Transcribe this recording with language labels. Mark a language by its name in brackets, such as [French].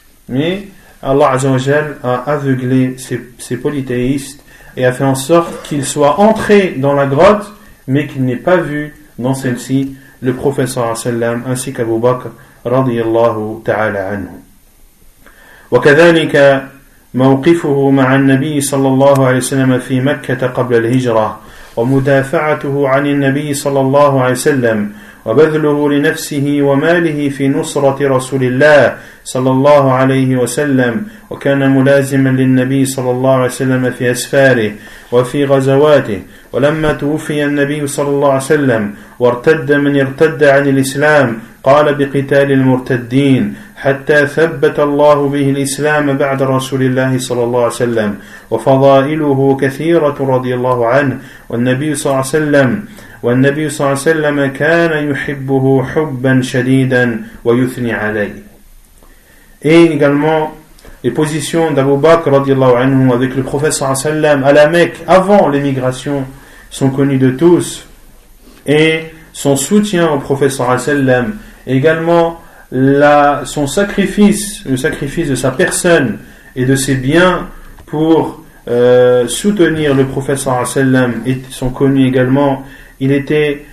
[French] Mais Allah azza wa jal a aveuglé ses polythéistes et a fait en sorte qu'il soit entré dans la grotte, mais qu'il n'ait pas vu dans celle-ci le prophète sallallahu alayhi wa sallam ainsi qu'Abu Bakr radiyallahu ta'ala anhu. [Arabic] وكذلك موقفه مع النبي صلى الله عليه وسلم في مكة قبل الهجرة، ومدافعته عن النبي صلى الله عليه وسلم، وبذله لنفسه وماله في نصرة رسول الله صلى الله عليه وسلم، وكان ملازما للنبي صلى الله عليه وسلم في أسفاره وفي غزواته. ولما توفي النبي صلى الله عليه وسلم وارتد من ارتد عن الإسلام قال بقتال المرتدين حتى ثبت الله به الإسلام بعد رسول الله صلى الله عليه وسلم، وفضائله كثيرة رضي الله عنه. والنبي صلى الله عليه وسلم كان يحبه حبا شديدا ويثني عليه. [French] Et également les positions d'Abu Bakr رضي الله عنه avec le prophète صلى الله عليه وسلم à la Mecque avant l'émigration sont connues de tous, et son soutien au prophète صلى الله عليه وسلم, également son sacrifice, le sacrifice de sa personne et de ses biens pour soutenir le prophète sallallahu alayhi wa sallam, sont connus également. Il était